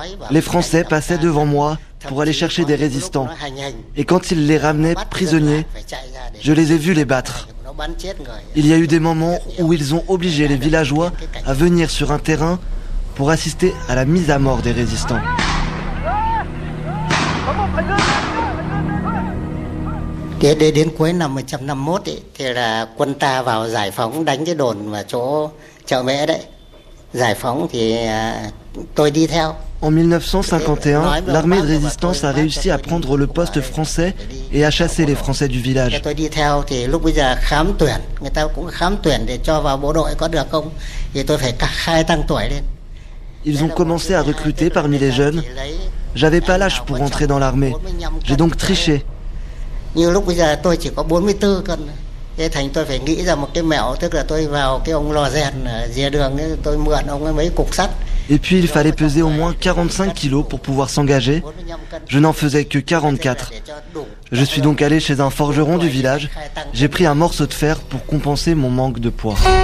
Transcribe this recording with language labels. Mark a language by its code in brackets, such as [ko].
[fr] Les Français passaient devant moi pour aller chercher des résistants. Et quand ils les ramenaient prisonniers, je les ai vus les battre. Il y a eu des moments où ils ont obligé les villageois à venir sur un terrain pour assister à la mise à mort des résistants. [vi] Đến cuối năm 1951 ấy, thì là quân ta vào giải phóng đánh cái đồn ở chỗ chợ Mễ đấy. Giải phóng thì tôi đi theo. [fr] En 1951, l'armée de résistance a réussi à prendre le poste français et à chasser les Français du village. [vi] Tôi đi theo thì lúc bây giờ khám tuyển, người ta cũng khám tuyển để cho vào bộ đội có được không? Thì tôi phải khai tăng tuổi lên. [fr] Ils ont commencé à recruter parmi les jeunes. J'avais pas l'âge pour entrer dans l'armée. J'ai donc triché. [vi] Như lúc bây giờ tôi chỉ có 44 cân. Thế thành tôi phải nghĩ ra một cái mẹo, tức là tôi vào cái ông lò rèn ở dìa đường ấy, tôi mượn ông ấy mấy cục sắt. [fr] Et puis il fallait peser au moins 45 kilos pour pouvoir s'engager. Je n'en faisais que 44. Je suis donc allé chez un forgeron du village. J'ai pris un morceau de fer pour compenser mon manque de poids.